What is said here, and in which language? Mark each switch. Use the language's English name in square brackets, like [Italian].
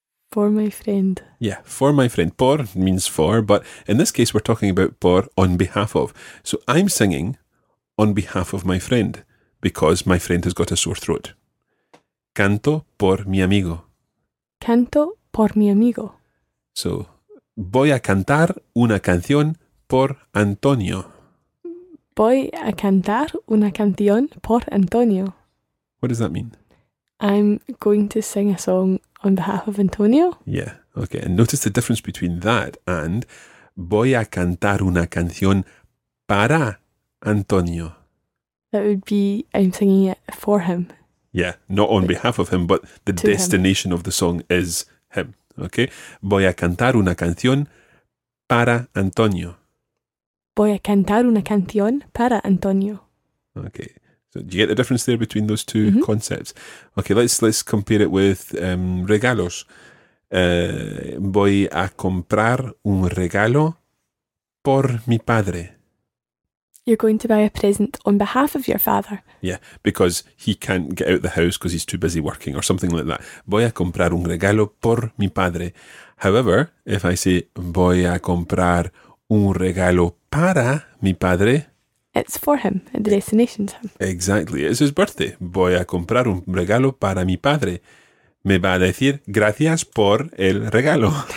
[English] For my friend. Yeah, for my friend. Por means for, but in this case we're talking about por on behalf of. So I'm singing on behalf of my friend because my friend has got a sore throat. [Spanish] Canto por mi amigo. Canto por mi amigo. So, voy a cantar una canción por Antonio. Voy a cantar una canción por Antonio. [English] What does that mean? I'm going to sing a song on behalf of Antonio. Yeah, okay. And notice the difference between that and [Spanish] voy a cantar una canción para Antonio. [English] That would be I'm singing it for him. Yeah, not on behalf of him, but the destination of the song is him. [Spanish] Okay? Voy a cantar una canción para Antonio. Voy a cantar una canción para Antonio. [English] Okay. So do you get the difference there between those two mm-hmm. concepts? Okay, let's compare it with regalos. [Spanish] Voy a comprar un regalo por mi padre. [English] You're going to buy a present on behalf of your father. Yeah, because he can't get out of the house because he's too busy working or something like that. [Spanish] Voy a comprar un regalo por mi padre. [English] However, if I say [Spanish] voy a comprar un regalo para mi padre. [English] It's for him, at the destination's him. Exactly, it's his birthday. [Spanish] Voy a comprar un regalo para mi padre. Me va a decir gracias por el regalo.